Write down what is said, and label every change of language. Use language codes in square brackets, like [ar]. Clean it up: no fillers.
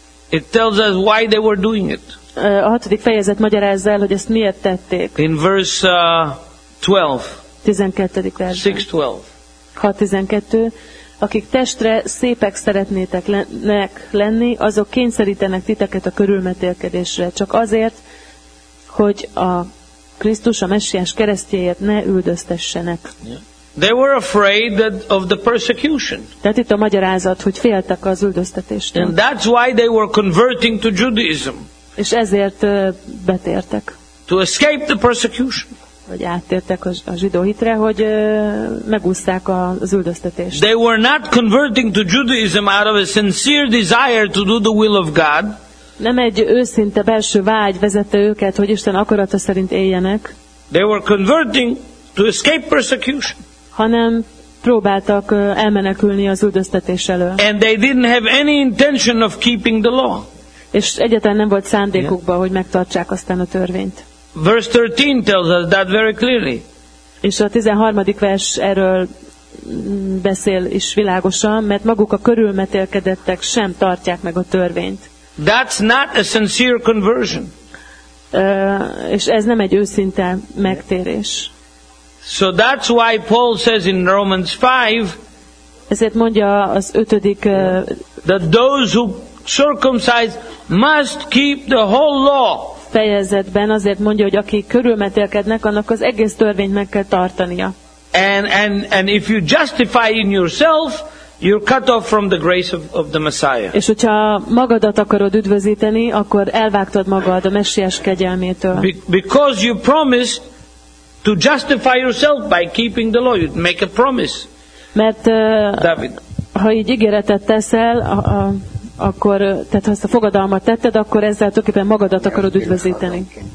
[en] it tells us why they were doing it. [hu] A hatodik fejezet magyarázza el, hogy ezt miért tették. [en] In verse 12, [hu] 12. versben, 6:12, akik testre szépek szeretnétek lenni, azok kényszerítenek titeket a körülmetélkedésre, csak azért, hogy a Krisztus, a Messiás keresztjéjét ne üldöztessenek. [en] They were afraid that of the persecution. [hu] Tehát itt a magyarázat, hogy féltek az üldöztetéstől. [en] And that's why they were converting to Judaism. [hu] És ezért betértek. [en] To escape the persecution. [hu] Vagy áttértek a zsidó hitre, hogy megúszták az üldöztetést. [en] They were not converting to Judaism out of a sincere desire to do the will of God. [hu] Nem egy őszinte belső vágy vezette őket, hogy Isten akarata szerint éljenek. [en] They were converting to escape persecution. [hu] Hanem próbáltak elmenekülni az üldöztetés elől. [en] And they didn't have any intention of keeping the law. [hu] És egyáltalán nem volt szándékukba, hogy megtartsák aztán a törvényt. [en] Verse 13 tells us that very clearly. [hu] És a 13. vers erről beszél is világosan, mert maguk a körülmetélkedettek sem tartják meg a törvényt. [en] That's not a sincere conversion. [hu] És ez nem egy őszinte megtérés. [en] So that's why Paul says in Romans 5, [hu] ezért mondja az 5. [en] That those who circumcise must keep the whole law. [hu] Fejezetben azért mondja, hogy aki körülmetélkednek, annak az egész törvényt meg kell tartania. [en] And if you justify in yourself, you're cut off from the grace of the Messiah. [hu] És hogyha magadat akarod üdvözíteni, akkor elvágtad magad a Messiás kegyelmétől. [en] Because you promised to justify yourself by keeping the law, you make a promise. [hu] Mert David, ha így ígéretet teszel, akkor, tehát ha ezt a fogadalmat tetted, akkor ezzel tulajdonképpen magadat akarod üdvözíteni.